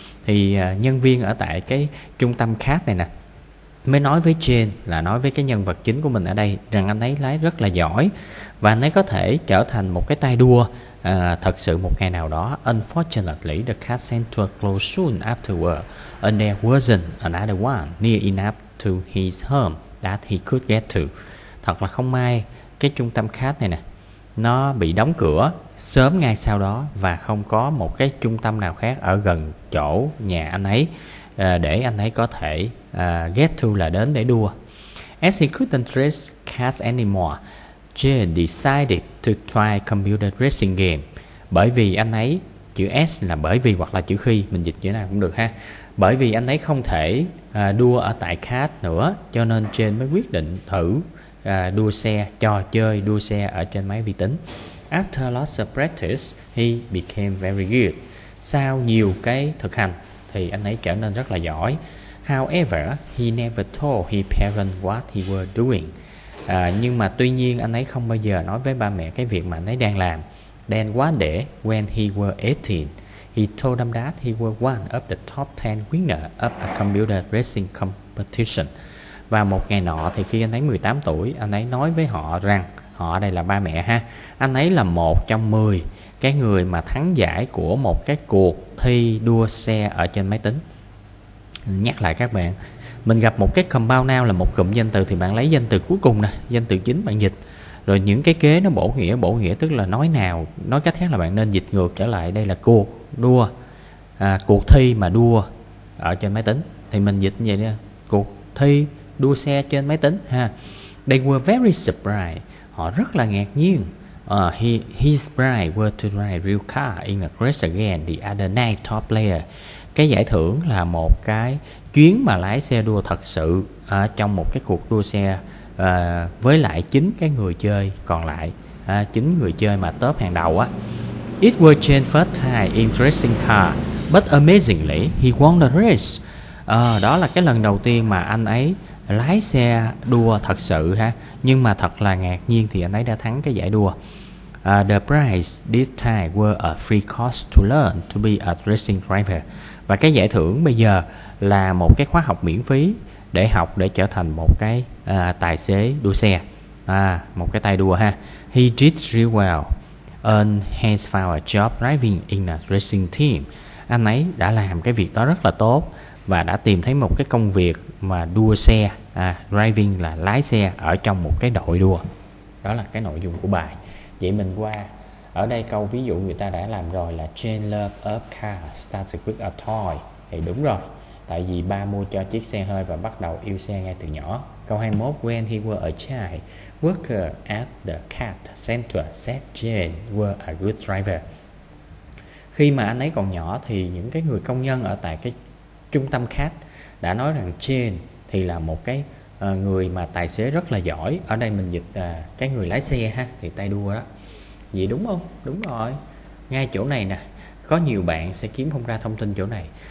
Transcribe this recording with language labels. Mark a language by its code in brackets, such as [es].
[vi] Thì nhân viên ở tại cái trung tâm khác này nè mới nói với Jane, là nói với cái nhân vật chính của mình ở đây, rằng anh ấy lái rất là giỏi và anh ấy có thể trở thành một cái tay đua thật sự một ngày nào đó. [en] Unfortunately, the car center closed soon afterward and there wasn't another one near enough to his home that he could get to. [vi] Thật là không may, cái trung tâm khác này nè, nó bị đóng cửa sớm ngay sau đó và không có một cái trung tâm nào khác ở gần chỗ nhà anh ấy để anh ấy có thể get to, là đến để đua. [en] As he couldn't race cars anymore, Jane decided to try computer racing game. [vi] Bởi vì anh ấy, chữ S là bởi vì hoặc là chữ khi, mình dịch chữ nào cũng được ha. Bởi vì anh ấy không thể đua ở tại cars nữa, cho nên Jane mới quyết định thử đua xe, trò chơi đua xe ở trên máy vi tính. [en] After lots of practice, he became very good. [vi] Sau nhiều cái thực hành thì anh ấy trở nên rất là giỏi. [en] However, he never told his parents what he was doing. [vi] Nhưng mà tuy nhiên anh ấy không bao giờ nói với ba mẹ cái việc mà anh ấy đang làm. [en] Then one day, when he was 18, he told them that he was one of the top 10 winners of a computer racing competition. [vi] Và một ngày nọ thì khi anh ấy 18 tuổi, anh ấy nói với họ rằng, họ đây là ba mẹ ha, anh ấy là một trong 10 cái người mà thắng giải của một cái cuộc thi đua xe ở trên máy tính. Nhắc lại các bạn, mình gặp một cái compound noun là một cụm danh từ, thì bạn lấy danh từ cuối cùng nè, danh từ chính bạn dịch. Rồi những cái kế nó bổ nghĩa tức là nói nào, nói cách khác là bạn nên dịch ngược trở lại, đây là cuộc đua, cuộc thi mà đua ở trên máy tính. Thì mình dịch như vậy nha, cuộc thi đua xe trên máy tính ha. [en] They were very surprised, họ rất là ngạc nhiên. His bride were to drive real car in a race again the other night, top player. [vi] Cái giải thưởng là một cái chuyến mà lái xe đua thật sự trong một cái cuộc đua xe với lại chính cái người chơi còn lại, chính người chơi mà top hàng đầu á. [en] It was Jane's first time in racing car, but amazingly he won the race. [vi] Đó là cái lần đầu tiên mà anh ấy lái xe đua thật sự ha, nhưng mà thật là ngạc nhiên thì anh ấy đã thắng cái giải đua. [en] The prize this time were a free course to learn to be a racing driver. [vi] Và cái giải thưởng bây giờ là một cái khóa học miễn phí để học để trở thành một cái tài xế đua xe, một cái tay đua ha. [en] He did really well and has found a job driving in a racing team. [vi] Anh ấy đã làm cái việc đó rất là tốt và đã tìm thấy một cái công việc mà đua xe, driving là lái xe ở trong một cái đội đua. Đó là cái nội dung của bài. Vậy mình qua ở đây câu ví dụ người ta đã làm rồi là Jane loved a car, started with a toy. Thì đúng rồi, tại vì ba mua cho chiếc xe hơi và bắt đầu yêu xe ngay từ nhỏ. [en] Câu 21, when he was a child, worker at the cat center said Jane was a good driver. [vi] Khi mà anh ấy còn nhỏ thì những cái người công nhân ở tại cái trung tâm cat đã nói rằng Jane thì là một cái người mà tài xế rất là giỏi. Ở đây mình dịch cái người lái xe ha, thì tay đua đó. Vậy đúng không? Đúng rồi. Ngay chỗ này nè, có nhiều bạn sẽ kiếm không ra thông tin chỗ này.